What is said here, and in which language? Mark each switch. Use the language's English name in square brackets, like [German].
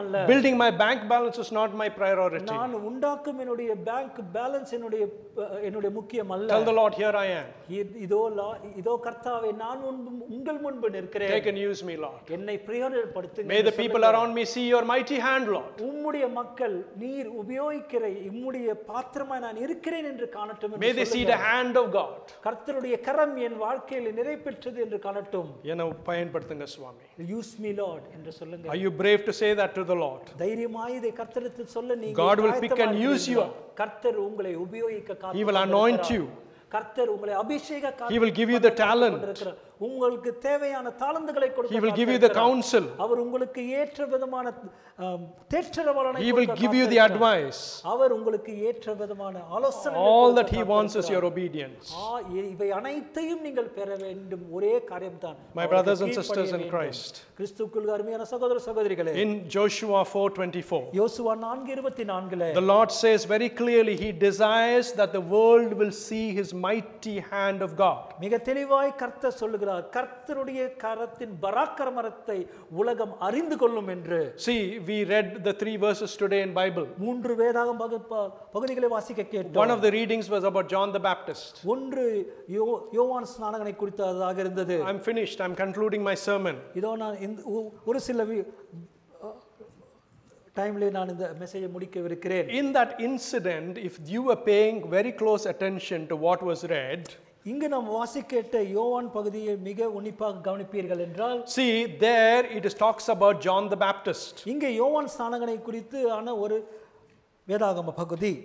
[English] Building my bank balance is not my priority. [Tamil] நான் உண்டாக்கும் என்னுடைய பேங்க் பேலன்ஸ் என்னுடைய முக்கியம் அல்ல. [English] Tell the Lord, here I am. [Tamil] இதோ கர்த்தாவே நான் உங்கள் முன்பு நிற்கிறேன். [English] Take and use me, Lord. [Tamil] என்னை பிரயோஜனப்படுத்துங்கள். [English] May the people around me see your mighty hand, Lord. [Tamil] உம்முடைய மக்கள் நீர் உபயோகிக்கிற உம்முடைய பாத்திரமாய் நான் இருக்கிறேன் என்று காணட்டும். [English] May they see the hand of God. [Tamil] கர்த்தருடைய கரம் என் வாழ்க்கையில் நிறைவேற்றது என்று காணட்டும். என்னை பயன்படுத்துங்க சுவாமி. [English] Use me, Lord. [Tamil] என்று சொல்லுங்கள். [English] Are you brave to say that to the Lord? [Tamil] தைரியமாயிதே கர்த்தரிடத்தில் சொல்ல நீங்க [English] God will pick and use you. [Tamil] கர்த்தர் உங்களை உபயோகிக்க காத்திருக்கிறார். [English] He will anoint you. [Tamil] கர்த்தர் உங்களை அபிஷேக காத்திருக்கிறார். [English] He will give you the talent. [Tamil] உங்களுக்கு தேவையான தாளந்துகளை கொடுக்க [English] He will give you the counsel. [Tamil] அவர் உங்களுக்கு ஏற்ற விதமான தேற்றர வளனை [English] He will give you the advice. [Tamil] அவர் உங்களுக்கு ஏற்ற விதமான ஆலோசனை [English] All that he wants is your obedience. [Tamil] இவை அனைத்தையும் நீங்கள் பெற வேண்டும் ஒரே காரியம்தான். [English] My brothers and sisters in Christ. [Tamil] கிறிஸ்துவுக்குள் அருமையான சகோதர சகோதரிகளே. [English] In Joshua 4:24. [Tamil] Joshua 4:24 [English] The Lord says very clearly he desires that the world will see his mighty hand of God. [Tamil] மிக தெளிவாய் கர்த்தர் சொல்ல கர்த்தருடைய கரத்தின் பராக்கிரமத்தை உலகம் அறிந்து கொள்ளும் என்று [English] See, we read the 3 verses today in Bible. [Tamil] மூன்று வேதாகம பகுதிகளை வாசிக்க கேட்டோம். [English] One of the readings was about John the Baptist. [Tamil] ஒன்று யோவான் ஸ்நானகனை குறித்ததாக இருந்தது. [English] I'm finished. I'm concluding my sermon. [Tamil] இதோ நான் ஒரு சில டைம்லேயே நான் இந்த மெசேஜை முடிக்கவிருக்கிறேன். [English] in that incident, if you are paying very close attention to what was read, [Tamil] இங்கு நாம் வாசிக்கேட்ட யோவான் பகுதியை மிக உன்னிப்பாக கவனிப்பீர்கள் என்றால், [English] see there it is talks about John the Baptist. [Tamil] இங்கே யோவான் ஸ்நானகனை குறித்து ஆன ஒரு வேதாகம பகுதி.